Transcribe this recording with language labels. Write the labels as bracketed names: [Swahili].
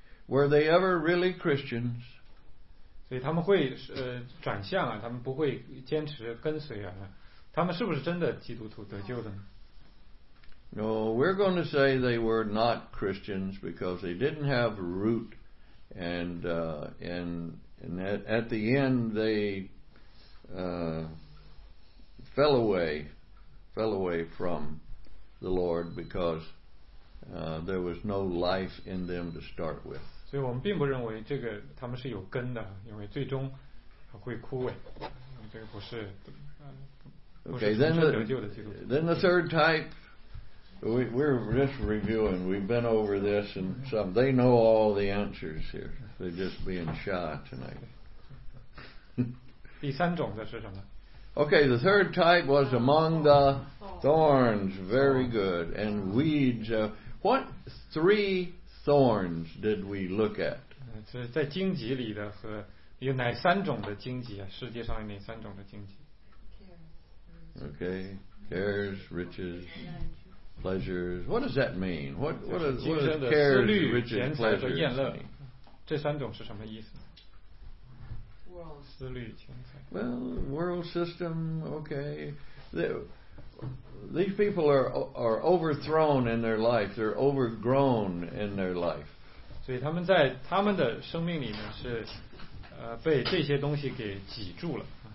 [English] Were they ever really Christians? [Chinese] 所以他们会转向啊，他们不会坚持跟随啊。他们是不是真的基督徒得救的呢？ [English] No, we're going to say they were not Christians because they didn't have root, and at the end they fell away. fell away from the Lord because there was no life in them to start with. [Chinese] 所以我们并不认为这个他们是有根的，因为最终会枯萎，这个不是。 [English] Okay, then the third type, we're just reviewing. We've been over this and some. They know all the answers here. They're just being shy tonight. [Chinese] 第三种的是什么？ [English] Okay, the third type was among the thorns. Very good. And weeds. What three thorns did we look at? [Chinese] 这是在荆棘里的和有哪三种的荆棘啊？世界上有哪三种的荆棘？ [English] Okay, cares, riches, pleasures. What does that mean? What does cares, riches, pleasures mean? [Chinese] 这三种是什么意思？ [English] World [Chinese] 思虑钱财。 [English] Well, world system. Okay, these people are overthrown in their life. They're overgrown in their life. [Chinese] 所以他们在他们的生命里面是被这些东西给挤住了。